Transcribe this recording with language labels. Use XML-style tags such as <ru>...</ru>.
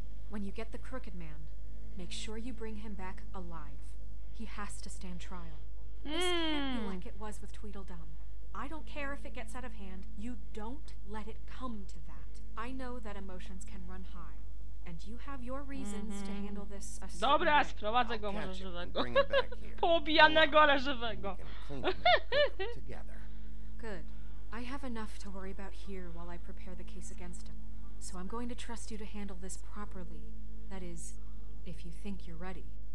<en>When you get the crooked man, make sure you bring him back alive. He has to stand trial. This can't be like it was with Tweedledum. I don't care if it gets out of hand. You don't let it come to that. I know that emotions can run high. And you have your reasons to handle this a certain</en> <pl>dobra,</pl> <en>way.</en> <pl>Dobra, sprowadzę go, może żywego. Poobijanego, ale żywego.</pl> <en>clean them and put them together. Good. I have enough to worry about here while I prepare the case against him. So I'm going to trust you to handle this properly. That is, if you think you're ready.</en>